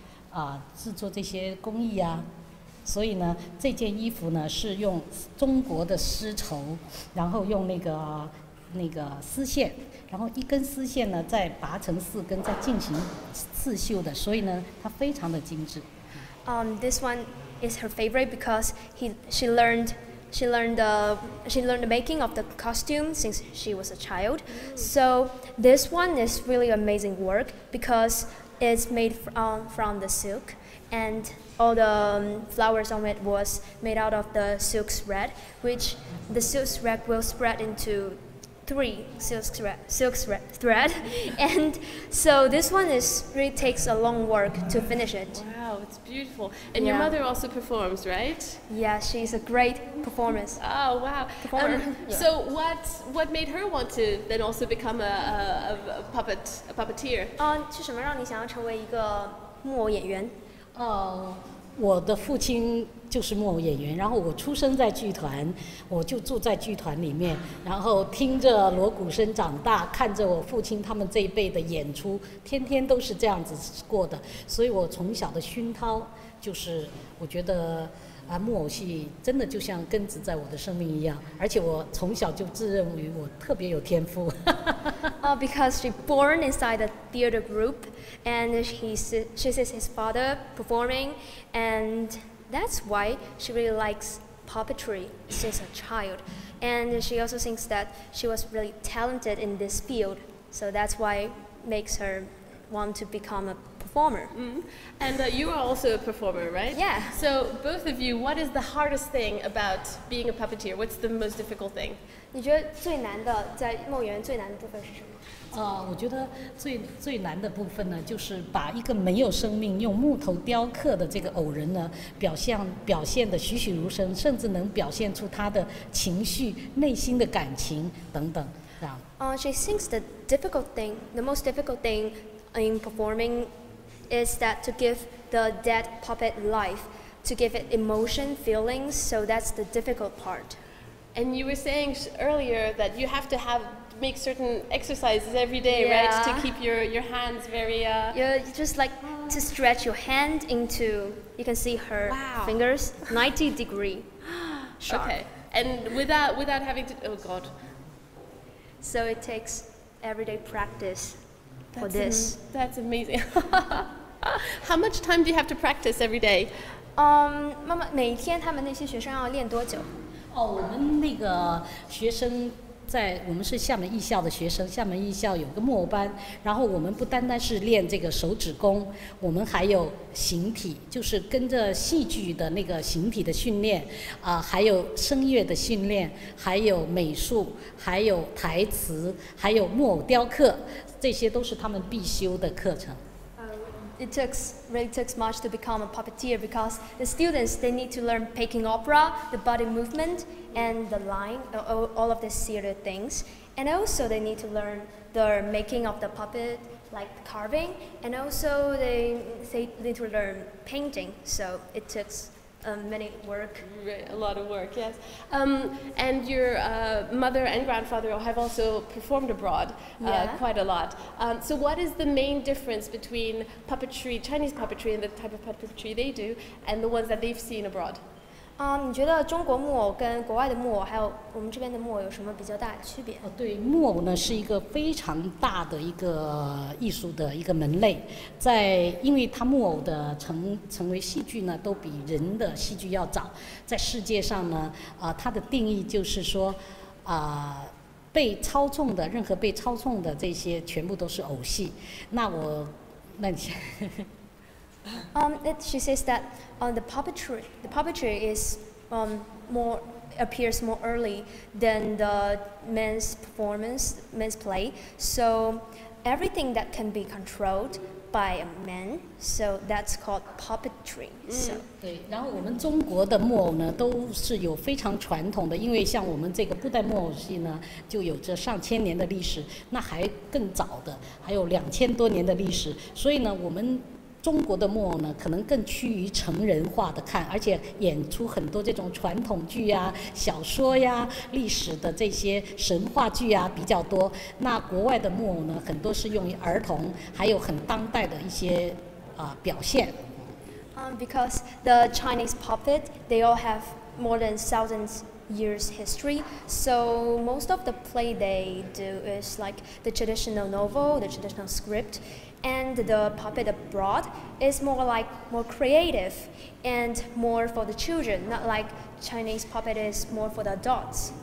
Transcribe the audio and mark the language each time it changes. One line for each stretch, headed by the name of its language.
Chinese: 我最喜欢哪一个？我很喜欢。哎，这个。啊，对。啊，这是
English: beautiful。
Chinese: 对，因为我呢是从小学习这个木偶的制作，像刺绣啊，制作这些工艺啊。所以呢，这件衣服呢是用中国的丝绸，然后用那个丝线，然后一根丝线呢再拔成四根，再进行刺绣的，所以呢它非常的精致。
English: This one is her favorite because she learned the making of the costume since she was a child. So this one is really amazing work because it's made from the silk and all the flowers on it was made out of the silk thread, which the silk thread will spread into three silk thread. And so this one really takes a long work to finish it. Wow, it's beautiful. And your mother also performs, right? Yeah, she's a great performer. Oh, wow. So what made her want to then also become a puppeteer?
Chinese: 是什么让你想要成为一个木偶演员? 我的父亲就是木偶演员，然后我出生在剧团，我就住在剧团里面，然后听着锣鼓声长大，看着我父亲他们这一辈的演出，天天都是这样子过的，所以我从小的熏陶就是我觉得啊，木偶戏真的就像根植在我的生命一样，而且我从小就自认为我特别有天赋。
English: Because she born inside the theater group, and she sees his father performing, and that's why she really likes puppetry since a child. And she also thinks that she was really talented in this field, so that's why makes her want to become a performer. Mm-hmm. And you are also a performer, right? Yeah. So both of you, what is the hardest thing about being a puppeteer? What's the most difficult thing?
Chinese: 你觉得最难的在梦园最难的部分是什么？我觉得最难的部分呢，就是把一个没有生命用木头雕刻的这个偶人呢，表现得栩栩如生，甚至能表现出他的情绪、内心的感情等等，这样。
English: She thinks the most difficult thing in performing is that to give the dead puppet life, to give it emotion, feelings. So that's the difficult part. And you were saying earlier that you have to make certain exercises every day, yeah. Right? To keep your hands very... You just like to stretch your hand into, you can see her fingers, 90 degree sharp. Okay, and without having to, oh God. So it takes everyday practice for this. That's amazing. How much time do you have to practice every day?
Chinese: 妈妈，每天他们那些学生要练多久？我们那个学生在我们是厦门艺校的学生，厦门艺校有个木偶班，然后我们不单单是练这个手指功，我们还有形体，就是跟着戏剧的那个形体的训练，还有声乐的训练，还有美术，还有台词，还有木偶雕刻，这些都是他们必修的课程。
English: It takes much to become a puppeteer because the students, they need to learn Peking opera, the body movement, and the line, all of the theater things. And also they need to learn the making of the puppet, like carving, and also they need to learn painting. So it takes many work. A lot of work, yes. And your mother and grandfather have also performed abroad quite a lot. So what is the main difference between puppetry, Chinese puppetry, and the type of puppetry they do, and the ones that they've seen abroad?
Chinese: 你觉得中国木偶跟国外的木偶，还有我们这边的木偶有什么比较大的区别？对，木偶呢是一个非常大的一个艺术的一个门类，在因为它木偶的成为戏剧呢，都比人的戏剧要早。在世界上呢，它的定义就是说，被操纵的任何被操纵的这些全部都是偶戏。那你先。
English: She says that the puppetry is appears more early than the men's play. So everything that can be controlled by a man, so that's called puppetry. So.
Chinese: 对，然后我们中国的木偶呢，都是有非常传统的，因为像我们这个布袋木偶戏呢，就有着上千年的历史，那还更早的，还有2000多年的历史。所以呢，我们中国的木偶呢，可能更趋于成人化的看，而且演出很多这种传统剧呀、小说呀、历史的这些神话剧呀比较多。那国外的木偶呢，很多是用于儿童，还有很当代的一些表现。
English: Because the Chinese puppet, they all have more than thousands years history. So most of the play they do is like the traditional novel, the traditional script. And the puppet abroad is more creative and more for the children, not like Chinese puppet is more for the adults.